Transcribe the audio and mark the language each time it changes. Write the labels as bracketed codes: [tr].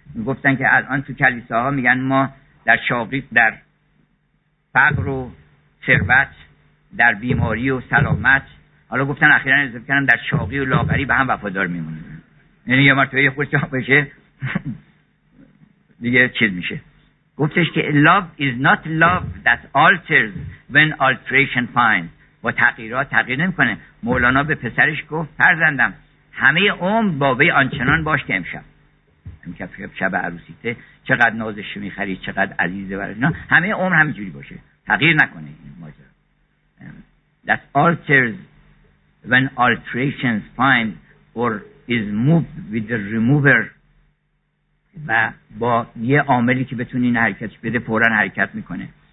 [fa] گفتن که الان تو کلیساها میگن ما در چاقی، در فقر و ثروت، در بیماری و سلامت، حالا گفتن اخیراً اضافه کردن در چاقی و لاغری به هم وفادار میمونن. یعنی یه مرتبه یه خود چاق بشه دیگه چیز میشه. گفتش که [en] love is not love that alters when alteration finds، [fa] با تغییرات تغییر نمیکنه. مولانا به پسرش گفت فرزندم همه عمر با وی آنچنان باش که امشب، امشب شب عروسیته، چقدر نازش میخری، چقدر عزیزه برای اینا، همه عمر همینجوری باشه، تغییر نکنه این ماجرا. [en] That alters when alterations find or is moved with the remover، [fa] و با یه عاملی که بتونی این حرکتش بده فورا حرکت میکنه.